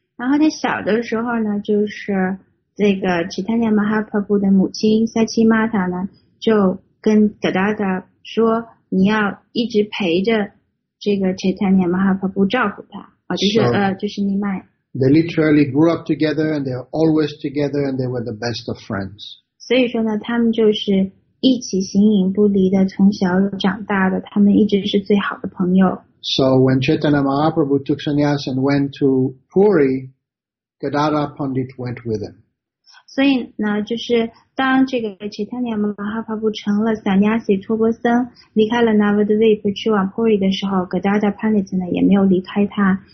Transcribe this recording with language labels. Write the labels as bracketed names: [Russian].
[Chinese] 然后他小的时候呢，就是这个 Chaitanya Mahaprabhu 的母亲 Sachi Mata 呢，就跟 Gadadhar 说，你要一直陪着这个 Chaitanya Mahaprabhu 照顾他，就是你卖。 [English] They literally grew up together, and they're always together, and they were the best of friends. [Chinese] 所以说呢，他们就是一起形影不离的，从小长大的，他们一直是最好的朋友。 [English] So when Chaitanya Mahaprabhu took sannyas and went to Puri, Gadara Pandit went with him. [Chinese] 所以呢，就是当这个 Chaitanya Mahaprabhu 成了 sannyasi 托钵僧，离开了 Navadvip 去往 Puri 的时候 ，Gadara Pandit 呢也没有离开他。